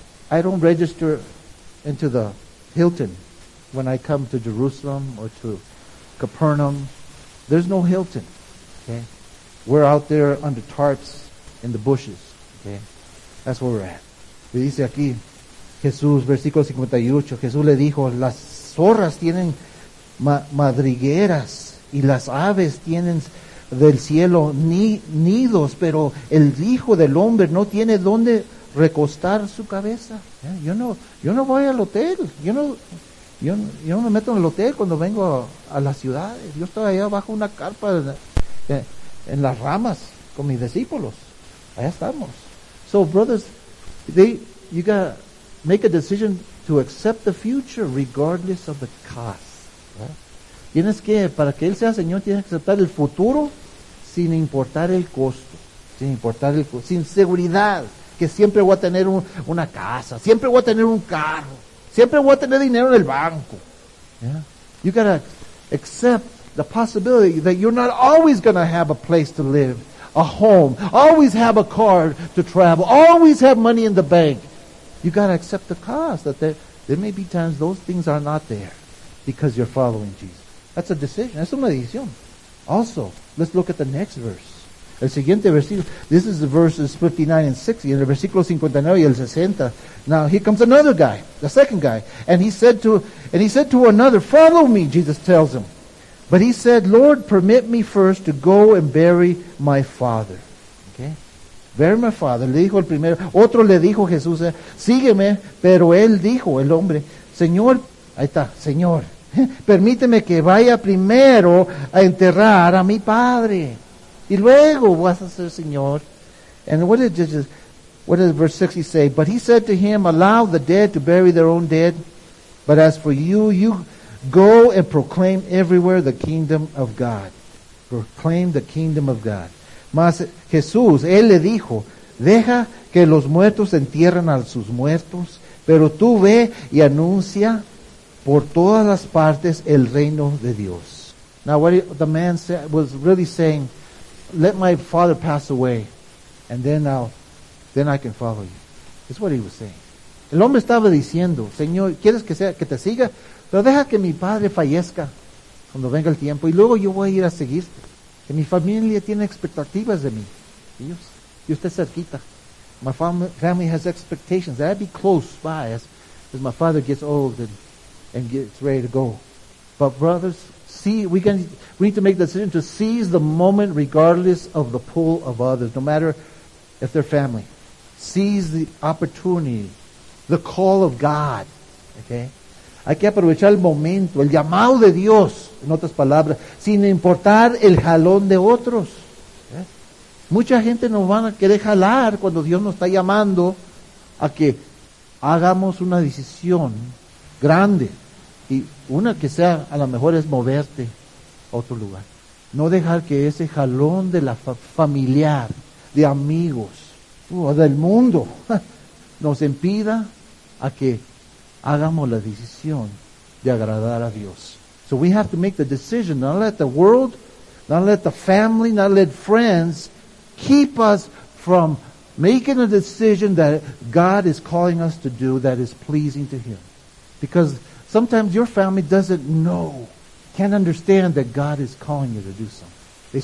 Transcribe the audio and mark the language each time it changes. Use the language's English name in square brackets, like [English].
[English] I don't register into the Hilton when I come to Jerusalem or to Capernaum. There's no Hilton. Okay, we're out there under tarps in the bushes. Okay, that's where we're at. [Spanish] Le dice aquí, Jesús, versículo 58. Jesús le dijo, las zorras tienen madrigueras y las aves tienen del cielo nidos, pero el Hijo del Hombre no tiene dónde recostar su cabeza. Yo no voy al hotel. Yo no me meto en el hotel cuando vengo a las ciudades. Yo estoy allá bajo una carpa en las ramas con mis discípulos. Allá estamos. [English] So brothers, you got to make a decision to accept the future regardless of the cost. [Spanish] Tienes que, para que Él sea Señor, tienes que aceptar el futuro sin importar el costo, sin seguridad. Que siempre voy a tener una casa, siempre voy a tener un carro, siempre voy a tener dinero en el banco. [English] Yeah. You got to accept the possibility that you're not always going to have a place to live, a home, always have a car to travel, always have money in the bank. You got to accept the cost that there may be times those things are not there because you're following Jesus. That's a decision. [Spanish] Es una decisión. [English] Also, let's look at the next verse. [Spanish] El siguiente versículo, [English] this is the verses 59 and 60, [Spanish] en el versículo 59 y el 60. [English] Now, here comes another guy, the second guy. And he said to another, follow me, Jesus tells him. But he said, Lord, permit me first to go and bury my father. Okay? Bury my father, [Spanish] le dijo el primero. Otro le dijo Jesús, sígueme, pero él dijo, el hombre, Señor, ahí está, Señor, permíteme que vaya primero a enterrar a mi padre. Y luego vas a ser Señor. [English] And what did verse 60 say? But he said to him, allow the dead to bury their own dead. But as for you, you go and proclaim everywhere the kingdom of God. Proclaim the kingdom of God. [Spanish] Mas Jesús, él le dijo, deja que los muertos entierren a sus muertos. Pero tú ve y anuncia por todas las partes el reino de Dios. [English] Now what the man said was really saying, let my father pass away, and then I can follow you. That's what he was saying. [Spanish] El hombre estaba diciendo, Señor, ¿quieres que sea que te siga? Pero deja que mi padre fallezca cuando venga el tiempo, y luego yo voy a ir a seguirte. Que mi familia tiene expectativas de mí. Dios, y usted cerquita. [English] My family has expectations that I'd be close by as my father gets old and gets ready to go. But brothers, we need to make the decision to seize the moment regardless of the pull of others, no matter if they're family. Seize the opportunity, the call of God. Okay? [Spanish] Hay que aprovechar el momento, el llamado de Dios, en otras palabras, sin importar el jalón de otros. Mucha gente nos van a querer jalar cuando Dios nos está llamando a que hagamos una decisión grande. Y una que sea, a lo mejor, es moverte a otro lugar. No dejar que ese jalón de la familiar, de amigos, o del mundo, nos impida a que hagamos la decisión de agradar a Dios. [English] So we have to make the decision, not let the world, not let the family, not let friends keep us from making a decision that God is calling us to do that is pleasing to Him. Because sometimes your family doesn't know, can't understand that God is calling you to do something.